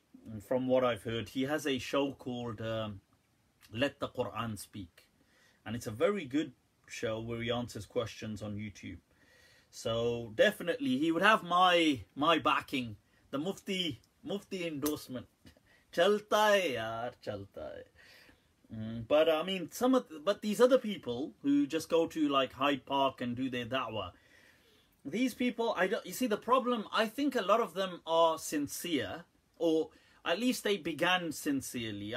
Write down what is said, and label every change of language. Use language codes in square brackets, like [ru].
[en] And from what I've heard, he has a show called Let the Quran Speak. And it's a very good show where he answers questions on YouTube. So definitely, he would have my backing. The Mufti endorsement. [hi] चलता है यार, चलता है. [en] But I mean, but these other people who just go to like Hyde Park and do their da'wah, these people, the problem, I think a lot of them are sincere, or at least they began sincerely.